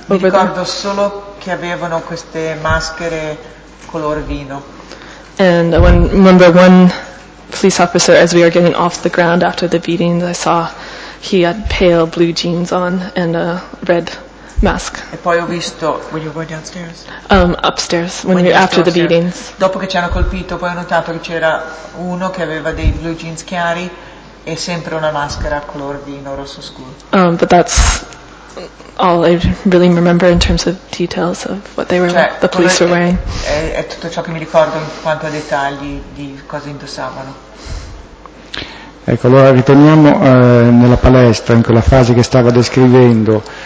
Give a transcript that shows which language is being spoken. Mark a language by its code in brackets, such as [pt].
[it] Mi ricordo solo che avevano queste maschere color vino. [en] And I remember one police officer, as we were getting off the ground after the beatings, I saw he had pale blue jeans on and a red mask. [it] E poi ho visto, [en] when you were going downstairs? Upstairs, after the beatings. [it] Dopo che ci hanno colpito, poi ho notato che c'era uno che aveva dei blue jeans chiari e sempre una maschera color vino rosso scuro. [en] But that's all I really remember in terms of details of what they were, the police were wearing. [it] È tutto ciò che mi ricordo in quanto a dettagli di cosa indossavano. Ecco, allora ritorniamo nella palestra, in quella fase che stava descrivendo.